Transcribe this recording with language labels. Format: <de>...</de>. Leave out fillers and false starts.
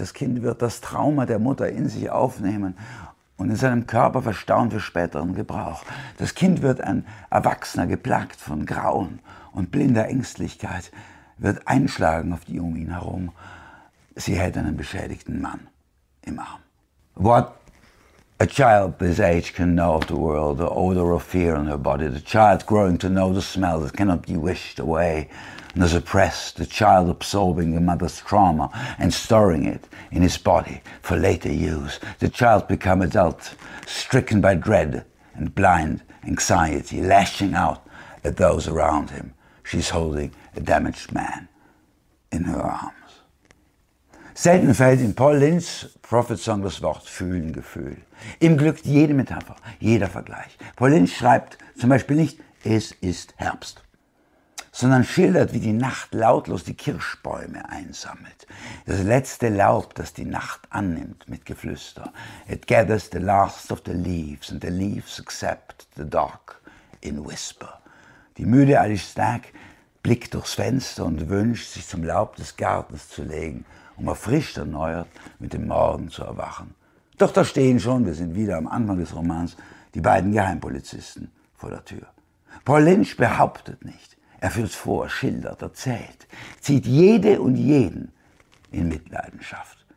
<de>Das Kind wird das Trauma der Mutter in sich aufnehmen und in seinem Körper verstauen für späteren Gebrauch. Das Kind wird ein Erwachsener, geplagt von Grauen und blinder Ängstlichkeit, wird einschlagen auf die um ihn herum. Sie hält einen beschädigten Mann im Arm.</de> <en>What a child this age can know of the world, the odor of fear on her body, the child growing to know the smell that cannot be wished away and is oppressed, the child absorbing the mother's trauma and storing it in his body for later use, the child become adult, stricken by dread and blind anxiety, lashing out at those around him. She's holding a damaged man in her arms.</en> <de>Selten fällt in Paul Lynchs Prophet Song das Wort fühlen, Gefühl. Ihm glückt jede Metapher, jeder Vergleich. Paul Lynch schreibt zum Beispiel nicht, es ist Herbst, sondern schildert, wie die Nacht lautlos die Kirschbäume einsammelt. Das letzte Laub, das die Nacht annimmt mit Geflüster.</de> <en>It gathers the last of the leaves and the leaves accept the dark in whisper.</en> <de>Die müde Alice Stack blickt durchs Fenster und wünscht, sich zum Laub des Gartens zu legen, um erfrischt erneuert mit dem Morgen zu erwachen. Doch da stehen schon, wir sind wieder am Anfang des Romans, die beiden Geheimpolizisten vor der Tür. Paul Lynch behauptet nicht, er führt vor, schildert, erzählt, zieht jede und jeden in Mitleidenschaft.</de>